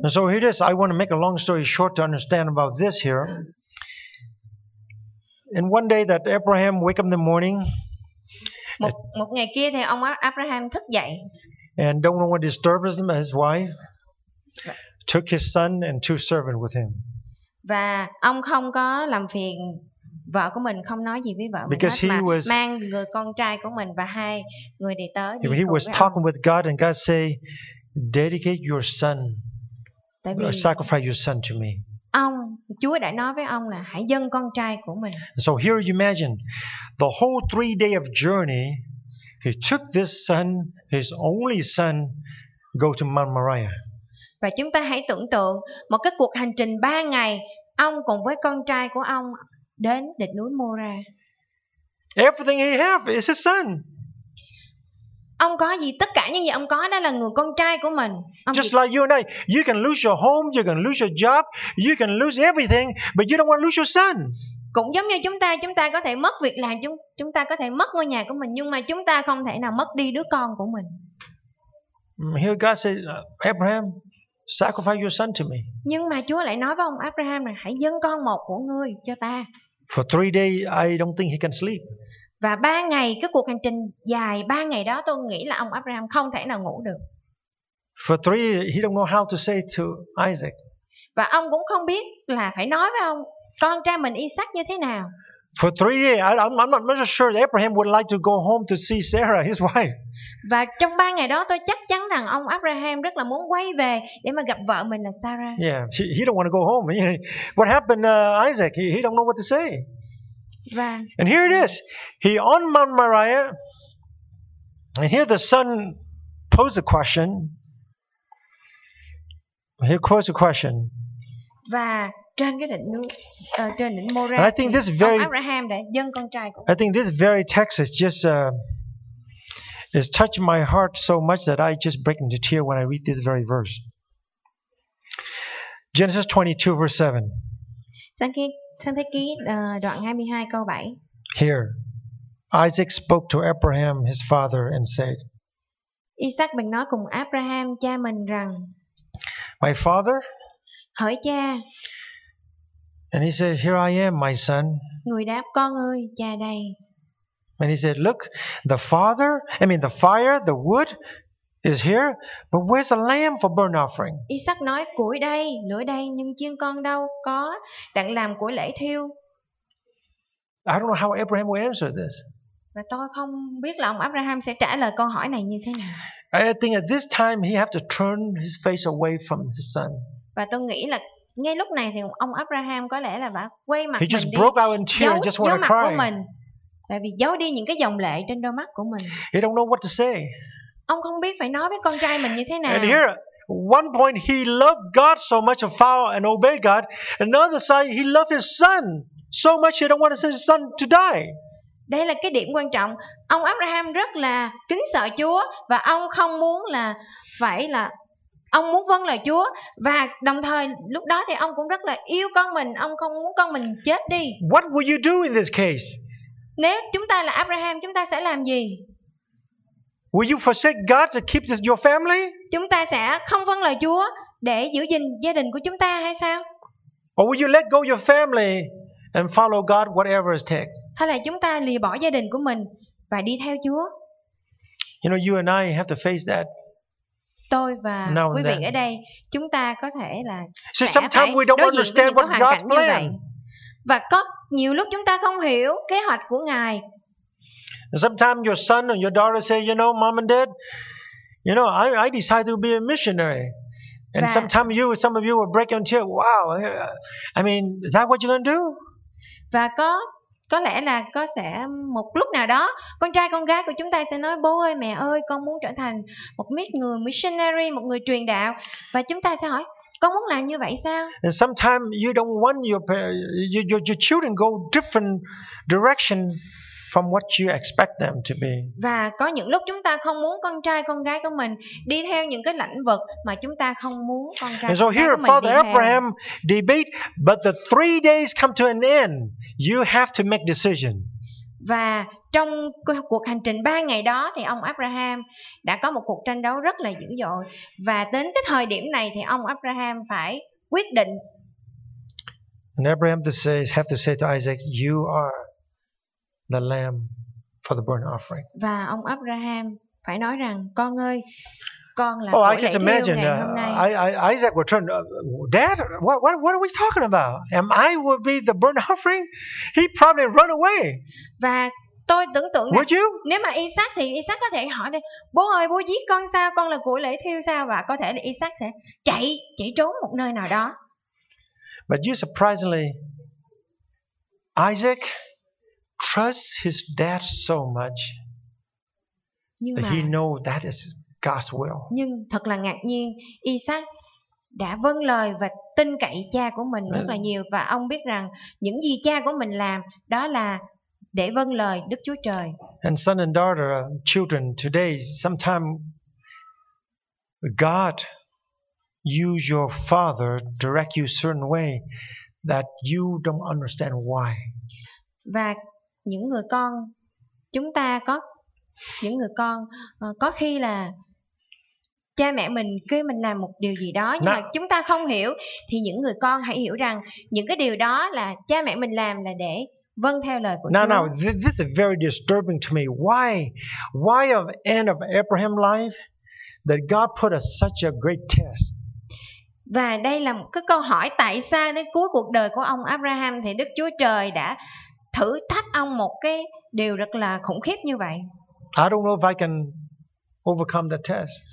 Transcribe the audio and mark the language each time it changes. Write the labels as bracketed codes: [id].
[en] And so here it is. I want to make a long story short to understand about this here. And one day that Abraham wake up in the morning. [vi] Một ngày kia thì ông Abraham thức dậy. [en] And don't know what disturbs him, his wife took his son and two servants with him. [vi] Và ông không có làm phiền vợ của mình, không nói gì với vợ [en] because [vi] mình hết, [en] he was, [vi] mang người con trai của mình và hai người đệ tớ đi cùng. [en] He was talking with God and God say, dedicate your son, sacrifice your son to me. [vi] Ông Chúa đã nói với ông là hãy dâng con trai của mình. [en] So here you imagine the whole 3 day of journey. He took this son, his only son, go to Mount Moriah. [vi] Và chúng ta hãy tưởng tượng một cái cuộc hành trình 3 ngày ông cùng với con trai của ông đến đỉnh núi Moriah. [en] Everything he have is his son. [vi] Ông có gì, tất cả những gì ông có đó là người con trai của mình. Ông [en] just like you and I, you can lose your home, you can lose your job, you can lose everything, but you don't want to lose your son. [vi] Cũng giống như chúng ta có thể mất việc làm, chúng ta có thể mất ngôi nhà của mình, nhưng mà chúng ta không thể nào mất đi đứa con của mình. [en] Here God says, Abraham, sacrifice your son to me. [vi] Nhưng mà Chúa lại nói với ông Abraham là hãy dâng con một của ngươi cho ta. [en] For 3 days, I don't think he can sleep. [vi] Và 3 ngày, cái cuộc hành trình dài 3 ngày đó, tôi nghĩ là ông Abraham không thể nào ngủ được. [en] For 3 days, he don't know how to say to Isaac. [vi] Và ông cũng không biết là phải nói với ông con trai mình Isaac như thế nào. [en] For 3 days, I'm not sure that Abraham would like to go home to see Sarah, his wife. [vi] Và trong 3 ngày đó, tôi chắc chắn rằng ông Abraham rất là muốn quay về để mà gặp vợ mình là Sarah. [en] Yeah, he don't want to go home. What happened, Isaac? He don't know what to say. [vi] Và [en] and here it is. He on Mount Moriah, and here the son posed a question. He posed a question. [vi] Và trên cái đỉnh Moriah, [en] I think this very [vi] Abraham đã dâng con trai của. [en] I think this very text is just is touched my heart so much that I just break into tears when I read this very verse. Genesis 22 verse 7. [vi] Sáng Thế Ký đoạn 22 câu 7. [en] Here Isaac spoke to Abraham his father and said. [vi] Isaac bèn nói cùng Abraham cha mình rằng. [en] My father. [vi] Hỡi cha. [en] And he said, "Here I am, my son." [vi] Người đáp, con ơi, cha đây. [en] And he said, "Look, the fire, the wood is here, but where's the lamb for burnt offering?" [vi] Isaac nói, củi đây, lửa đây, nhưng chiên con đâu? Có, đặng làm của lễ thiêu. [en] I don't know how Abraham will answer this. [vi] Và tôi không biết là ông Abraham sẽ trả lời câu hỏi này như thế nào. [en] I think at this time he have to turn his face away from his son. [vi] Và tôi nghĩ là ngay lúc này thì ông Abraham có lẽ là đã quay mặt [en] he [vi] mình [en] just [vi] đi. [en] Broke out in tears, [vi] giấu, [en] just want to cry. [vi] Mình, tại vì giấu đi những cái dòng lệ trên đôi mắt của mình. [en] He don't know what to say. [vi] Ông không biết phải nói với con trai mình như thế nào. [en] And here, one point he loved God so much and followed and obeyed God. Another side, he loved his son so much he don't want to send his son to die. [vi] Đây là cái điểm quan trọng. Ông Abraham rất là kính sợ Chúa và ông không muốn là phải là ông muốn vâng lời Chúa và đồng thời lúc đó thì ông cũng rất là yêu con mình, ông không muốn con mình chết đi. [en] What will you do in this case? [vi] Nếu chúng ta là Abraham, chúng ta sẽ làm gì? [en] Will you forsake God to keep this, your family? [vi] Chúng ta sẽ không vâng lời Chúa để giữ gìn gia đình của chúng ta hay sao? [en] Or will you let go your family and follow God whatever it takes? [vi] Hay là chúng ta lìa bỏ gia đình của mình và đi theo Chúa? [en] You know, you and I have to face that. [vi] Tôi và quý vị ở đây, chúng ta có thể là sẽ [en] sometimes we don't understand what God's plan. [vi] Và có nhiều lúc chúng ta không hiểu kế hoạch của Ngài. [en] Sometimes your son or your daughter say, you know, mom and dad, you know, I decided to be a missionary. And sometimes you, some of you will break into tears. Wow, I mean, is that what you're going to do? [vi] Và có lẽ là có sẽ một lúc nào đó con trai con gái của chúng ta sẽ nói bố ơi mẹ ơi con muốn trở thành một người missionary, một người truyền đạo và chúng ta sẽ hỏi con muốn làm như vậy sao? [en] And sometimes you don't want your children go different direction from what you expect them to be. [vi] Và có những lúc chúng ta không muốn con trai con gái của mình đi theo những cái lĩnh vực mà chúng ta không muốn con trai con gái của mình đi theo. [en] So here Father Abraham debate, but the 3 days come to an end. You have to make decision. [vi] Và trong cuộc hành trình 3 ngày đó thì ông Abraham đã có một cuộc tranh đấu rất là dữ dội và đến cái thời điểm này thì ông Abraham phải quyết định. [en] And Abraham have to say to Isaac, you are the lamb for the burnt offering. [vi] Và ông Abraham phải nói rằng con ơi, con là của lễ thiêu ngày hôm nay. [en] Isaac would turn, Dad, what are we talking about? Am I would be the burnt offering? He probably run away. [vi] Và tôi tưởng tượng [en] would you? [vi] Nếu mà Isaac thì Isaac có thể hỏi đây, bố ơi, bố giết con sao? Con là của lễ thiêu sao? Và có thể là Isaac sẽ chạy trốn một nơi nào đó. [en] But you surprisingly, Isaac trust his dad so much [vi] nhưng [en] that [vi] mà, [en] he know that is God's will. [vi] Nhưng thật là ngạc nhiên, Isaac đã vâng lời và tin cậy cha của mình rất là nhiều và ông biết rằng những gì cha của mình làm đó là để vâng lời Đức Chúa Trời. [en] And son and daughter, children today, sometimes God use your father direct you certain way that you don't understand why. [vi] Và những người con chúng ta có những người con có khi là cha mẹ mình kêu mình làm một điều gì đó nhưng mà chúng ta không hiểu thì những người con hãy hiểu rằng những cái điều đó là cha mẹ mình làm là để vâng theo lời của Chúa. [en] Now this is very disturbing to me. Why of end of Abraham's life that God put us such a great test? [vi] Và đây là một cái câu hỏi tại sao đến cuối cuộc đời của ông Abraham thì Đức Chúa Trời đã thử thách ông một cái điều rất là khủng khiếp như vậy. [en] I don't know if I can overcome the test.